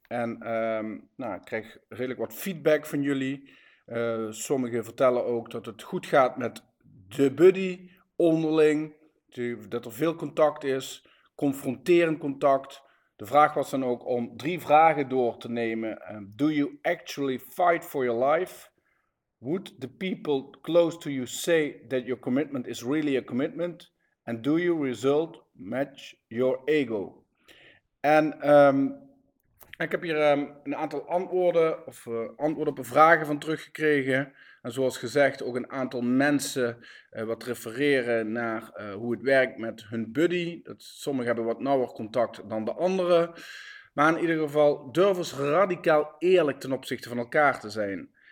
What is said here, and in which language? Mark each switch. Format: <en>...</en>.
<nl>En ik krijg redelijk wat feedback van jullie. Sommigen vertellen ook dat het goed gaat met de buddy onderling. Dat er veel contact is, confronterend contact. De vraag was dan ook om drie vragen door te nemen.</nl> <en>Do you actually fight for your life? Would the people close to you say that your commitment is really a commitment? And do your result match your ego?</en> <nl>En ik heb hier een aantal antwoorden of antwoorden op vragen van teruggekregen. En zoals gezegd ook een aantal mensen wat refereren naar hoe het werkt met hun buddy. Sommigen hebben wat nauwer contact dan de anderen. Maar in ieder geval durf eens radicaal eerlijk ten opzichte van elkaar te zijn.</nl>